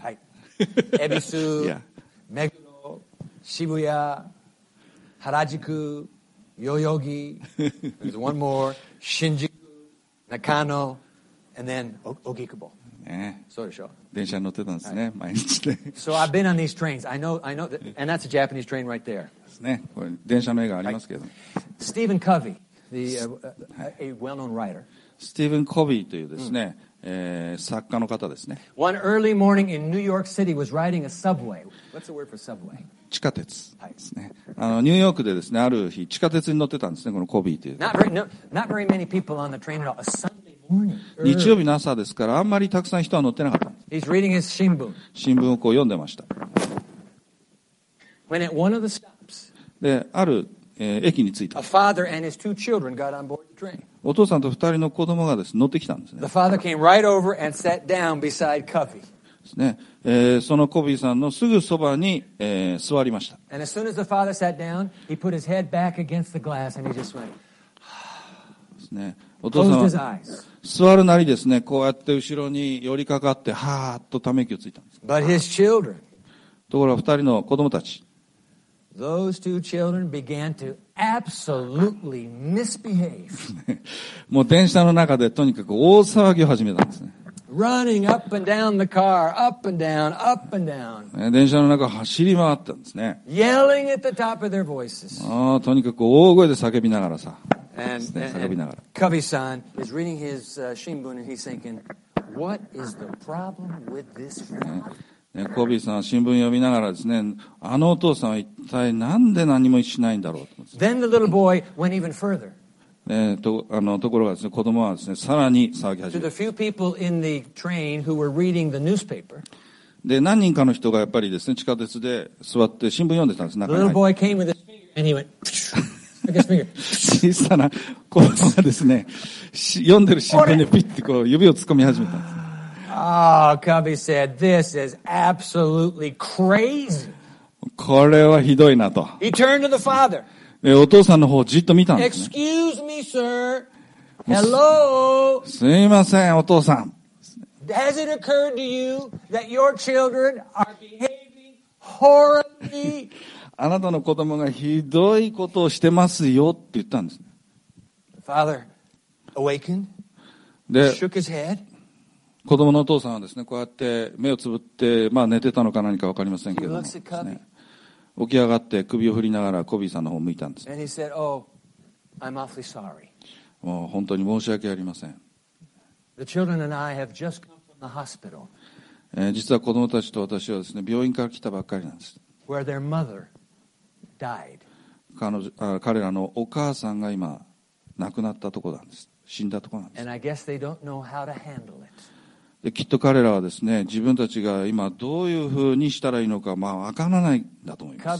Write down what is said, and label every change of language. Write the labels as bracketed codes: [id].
[ja] はい、恵比寿、目黒、渋谷、原宿、代々木、 [en] There's one more、 [ja] 新宿、中野、 [en] and then [ja] 荻窪。ね、そうでしょ。電車に乗ってたんですね、はい、毎日ね。 [en] So I've been on these trains. I know that, and that's a Japanese train right there. [ja] ですね。これ電車の絵がありますけど。はい、 [en] Stephen Covey, the、はい、a well-known writer. [ja] Stephen Covey というですね、作家の方ですね。 [en] One early morning in New York City was riding a subway. What's the word for subway? [ja] 地下鉄ですね。はい、ニューヨークでですね、ある日地下鉄に乗ってたんですね、このコビーという。 [en] Not very many people on the train at all. A Sunday. [ja] 日曜日の朝ですから、あんまりたくさん人は乗ってなかった。 [en] He's reading his 新聞。 [ja] 新聞をこう読んでました。 [en] When at one of the stops, [ja] で、ある、駅に着いた。 [en] A father and his two children got on board the train. [ja] お父さんと二人の子供がです、ね、乗ってきたんですね。 [en] The father came right over and sat down beside Covey. [ja] ですね。そのコビーさんのすぐそばに、座りました。 [en] And as soon as the father sat down, he put his head back against the glass and he just went, [ja] ですね。お父さんは座るなりですね、こうやって後ろに寄りかかってはーっとため息をついたんです。 [en] But his children, [ja] ところが二人の子供たち、 [en] those two children began to absolutely misbehave. [ja] もう電車の中でとにかく大騒ぎを始めたんですね。 [en] Running up and down the car, up and down, up and down. [ja] 電車の中走り回ったんですね。 [en] Yelling at the top of their voices. [ja] ああ、とにかく大声で叫びながらさ。 [en] And Kubi-san is reading his shinbun and he's thinking, what is the problem with this father? [ja] Kubi さん新聞読みながらですね、あのお父さんは一体なんで何もしないんだろうと思って。 [en] Then the little boy went even further. [ja] ところがですね、子供はですね、さらに騒ぎ始めた。何人かの人がやっぱりですね、地下鉄で座って新聞読んでたんです。小さな子供がですね、読んでる新聞にピッてこう指を突っ込み始めたんです。 [en] Ah, Cubby said, this is absolutely crazy. [ja] これはひどいなと。 [en] He turned to the father. [ja] お父さんの方をじっと見たんですね。 [en] Excuse me, sir. Hello. [ja] すいません、お父さん。 [en] Has it occurred to you that your children are behaving horribly? [ja] あなたの子供がひどいことをしてますよって言ったんです。 [en] Father awakened. Shook his head. [ja] 子供のお父さんはですね、こうやって目をつぶって、まあ寝てたのか何かわかりませんけど。起き上がって首を振りながらコビーさんの方を向いたんです。 [en] And he said, oh, I'm awfully sorry. [ja] もう本当に申し訳ありません。 [en] The children and I have just come from the hospital. [ja] 実は子供たちと私はですね、病院から来たばっかりなんです。 [en] Where their mother died. [ja] 彼らのお母さんが今亡くなったところなんです。死んだところなんです。 [en] And I guess they don't know how to handle it. [ja] きっと彼らはですね、自分たちが今どういうふうにしたらいいのか、まあ、分からないんだと思います。